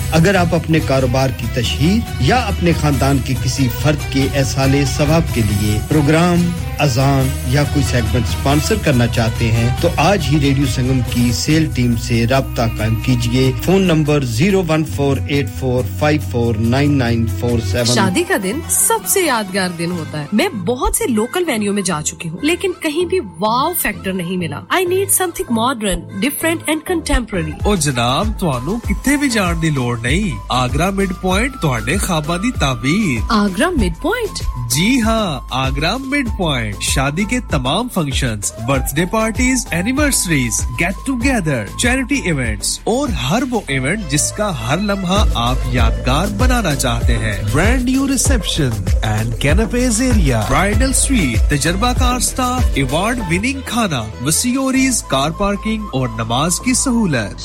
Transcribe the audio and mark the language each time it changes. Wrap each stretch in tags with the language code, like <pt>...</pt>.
<ur>اگر آپ اپنے کاروبار کی تشہیر یا اپنے خاندان کے کسی فرد کے ایصال ثواب کے لیے پروگرام اذان یا کوئی سیگمنٹ سپانسر کرنا چاہتے ہیں تو آج ہی ریڈیو سنگم کی سیل ٹیم سے رابطہ قائم کیجئے فون نمبر 01484549947 شادی کا دن سب سے یادگار دن ہوتا ہے میں بہت سے لوکل وینیو میں جا چکی ہوں لیکن کہیں بھی واو فیکٹر نہیں ملا</ur> <en>I need something modern different and contemporary</en> <pa>او جناب توانو کتے بھی جان دی لوڑ نہیں آگرا مڈ پوائنٹ تہاڈے خواباں دی تعبیر</pa> <ur>آگرا مڈ پوائنٹ جی ہاں آگرا مڈ پوائنٹ شادی کے تمام functions birth day parties anniversaries get together charity events اور ہر وہ ایونٹ جس کا ہر لمحہ آپ یادگار بنانا چاہتے ہیں brand new reception and canapés area bridal sweet تجربہ کار سٹاف ایوارڈ وننگ کھانا مسیوریز کار پارکنگ اور نماز کی سہولت</ur>